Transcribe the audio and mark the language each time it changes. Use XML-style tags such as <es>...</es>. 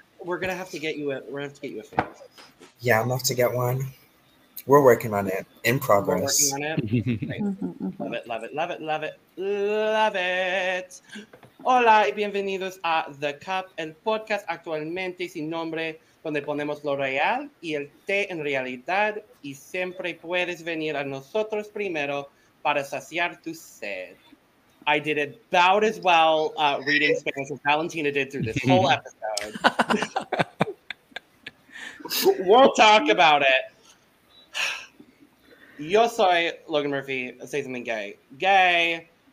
<en>We're going to have to get you a, we're going to have to get you a fan. Yeah, I'm off to get one. We're working on it. In progress. We're working on it. Love it, love it, love it, love it, love it.</en> <es>Hola y bienvenidos a The Cup, el podcast actualmente sin nombre, donde ponemos lo real y el té en realidad, y siempre puedes venir a nosotros primero para saciar tu sed.</es> <en>I did it about as well reading Spanish as Valentina did through this whole episode. We'll talk about it.</en> <es>Yo soy Logan Murphy.</es> <en>Say something gay. Gay.</en>